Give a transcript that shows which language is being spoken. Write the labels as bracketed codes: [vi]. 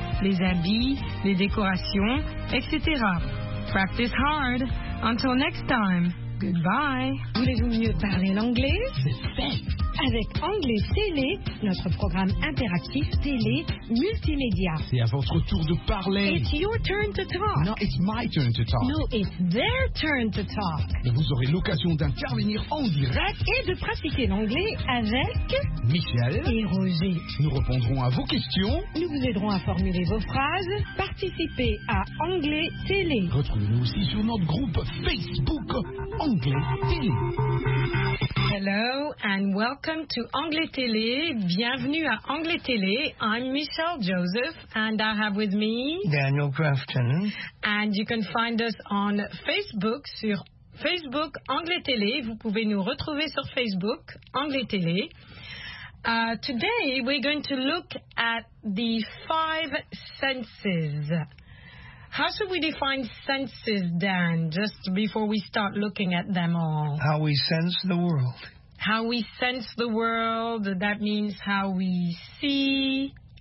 [fr] Les habits, les décorations, etc. [en] Practice hard. Until next time. Goodbye. [fr] Voulez-vous mieux parler l'anglais? Avec Anglais Télé, notre programme interactif télé multimédia. C'est à votre tour de parler. [en] It's your turn to talk. No, it's my turn to talk. No, it's their turn to talk. [fr] Et vous aurez l'occasion d'intervenir en direct et de pratiquer l'anglais avec Michel et Roger. Nous répondrons à vos questions. Nous vous aiderons à formuler vos phrases. Participez à Anglais Télé. Retrouvez-nous aussi sur notre groupe Facebook Anglais Télé. [en] Hello and welcome to Anglais Télé. [fr] Bienvenue à Anglais Télé. [en] I'm Michelle Joseph and I have with me Daniel Grafton. And you can find us on Facebook, sur Facebook Anglais Télé. [fr] Vous pouvez nous retrouver sur Facebook Anglais Télé. [en] Today we're going to look at the five senses. How should we define senses, Dan, just before we start looking at them all? How we sense the world. How we sense the world, that means how we see,